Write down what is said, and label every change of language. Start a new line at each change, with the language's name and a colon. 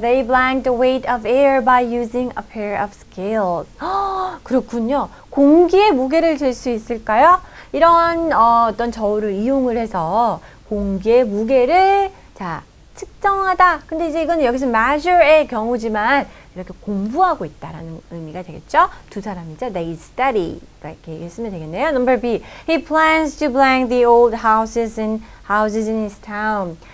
English: They blank the weight of air by using a pair of scales.
Korean: 그렇군요. 공기의 무게를 잴수 있을까요? 이런 어떤 저울을 이용을 해서 공기의 무게를 자, 측정하다. 근데 이제 이건 여기서 measure의 경우지만 이렇게 공부하고 있다라는 의미가 되겠죠? 두 사람이죠.
English: They study.
Korean: 이렇게 쓰면 되겠네요.
English: Number B. He plans to blank the old houses in his town.